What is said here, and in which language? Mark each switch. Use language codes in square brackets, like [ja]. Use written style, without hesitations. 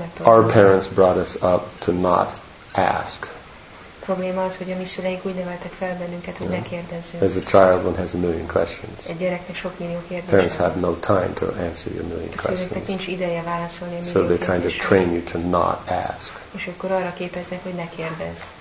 [en] our parents brought us up to not ask. [hu] Probléma az, hogy a mi szüleink úgy neveltek fel bennünket, hogy ne kérdezzünk. [en] As a child, one has a million questions. [hu] Egy gyereknek sok millió kérdés. [en] Parents have no time to answer your million questions. [hu] A szüleinknek nincs ideje válaszolni a millió kérdésre. [en] So they kind of train you to not ask. [hu] És akkor arra képeznek, hogy ne kérdezz.